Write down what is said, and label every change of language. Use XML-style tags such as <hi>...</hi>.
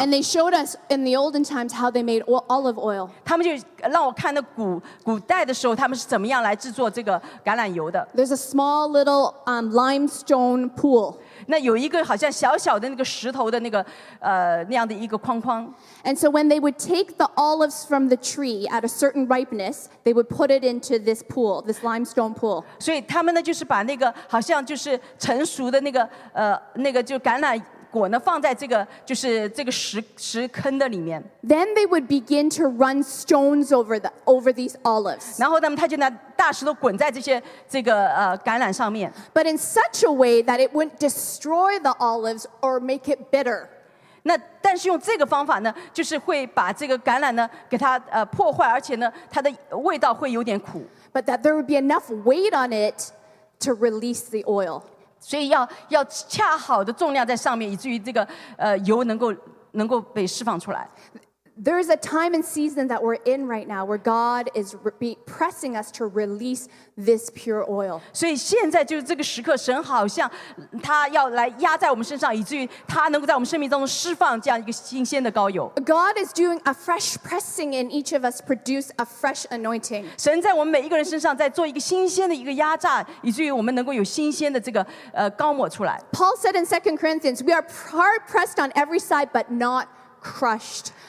<en>And they showed us in the olden times how they made olive oil.</en> <zh>他们就让我看那古代的时候, 他们是怎么样来制作这个橄榄油的。</zh> <en>There's a small little limestone pool.</en> <zh>那有一个好像小小的那个石头的那个, 那样的一个框框。</zh> <en>And so when they would take the olives from the tree at a certain ripeness, they would put it into this pool, this limestone pool.</en> <zh>所以他们呢就是把那个好像就是成熟的那个, 那个就橄榄果呢放在这个就是这个石坑的里面。</zh> <en>Then they would begin to run stones over these olives.</en> <zh>然后他们就拿大石头滚在这些这个, 橄榄上面。</zh> <en>But in such a way that it wouldn't destroy the olives or make it bitter.</en> <zh>那但是用这个方法呢, 就是会把这个橄榄呢, 给它, 破坏, 而且呢, 它的味道会有点苦。</zh> <en>But that there would be enough weight on it to release the oil.</en> <zh>所以要恰好的重量在上面, 以至于这个, 油能够被释放出来。</zh> <en>There is a time and season that we're in right now where God is pressing us to release this pure oil.</en> <zh>所以现在就是这个时刻, 神好像祂要来压在我们身上, 以至于祂能够在我们生命当中释放这样一个新鲜的膏油。</zh> <en>God is doing a fresh pressing in each of us, produce a fresh anointing.</en> <zh>神在我们每一个人身上在做一个新鲜的一个压榨, 以至于我们能够有新鲜的这个, 膏抹出来。</zh> <en>Paul said in 2 Corinthians, we are hard-pressed on every side, but not crushed.</en>